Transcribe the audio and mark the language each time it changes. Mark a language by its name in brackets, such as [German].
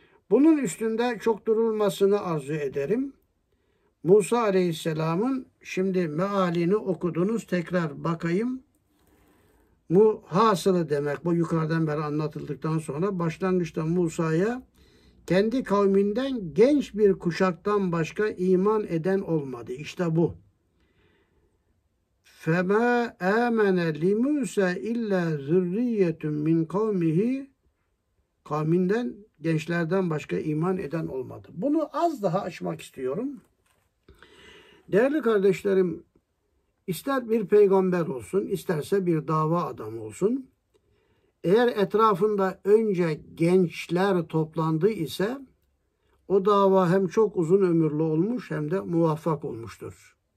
[Turkish] Bunun üstünde çok durulmasını arzu ederim. Musa Aleyhisselam'ın şimdi mealini okudunuz. Tekrar bakayım. Bu hasılı demek. Bu yukarıdan beri anlatıldıktan sonra başlangıçta Musa'ya kendi kavminden genç bir kuşaktan başka iman eden olmadı. İşte bu. [Arabic] فَمَا آمَنَ لِمُوسَى اِلَّا ذُرِّيَّةٌ مِنْ قَوْمِهِ [Turkish] kavminden gençlerden başka iman eden olmadı. Bunu az daha açmak istiyorum. Değerli kardeşlerim, ister bir peygamber olsun, isterse bir dava adamı olsun, eğer etrafında önce gençler toplandı ise, o dava hem çok uzun ömürlü olmuş hem de muvaffak olmuştur.